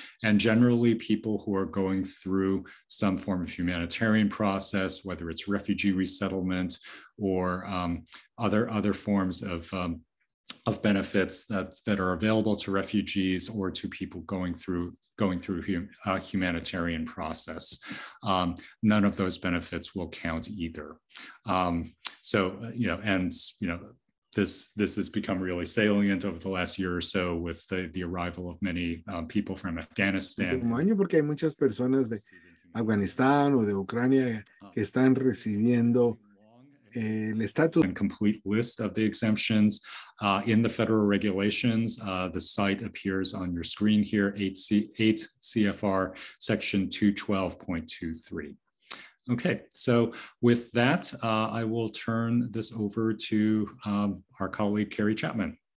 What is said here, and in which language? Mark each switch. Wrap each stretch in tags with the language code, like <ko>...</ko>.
<en>And generally, people who are going through some form of humanitarian process, whether it's refugee resettlement or other forms of benefits that are available to refugees or to people going through a humanitarian process. None of those benefits will count either. This has become really salient over the last year or so with the arrival of many people from Afghanistan.</en> <es>Porque hay muchas personas de Afganistán o de Ucrania que están recibiendo el estatus.</es> <en>And complete list of the exemptions in the federal regulations. The site appears on your screen here, 8 CFR section 212.23. Okay, so with that, I will turn this over to our colleague, Carrie Chapman.</en>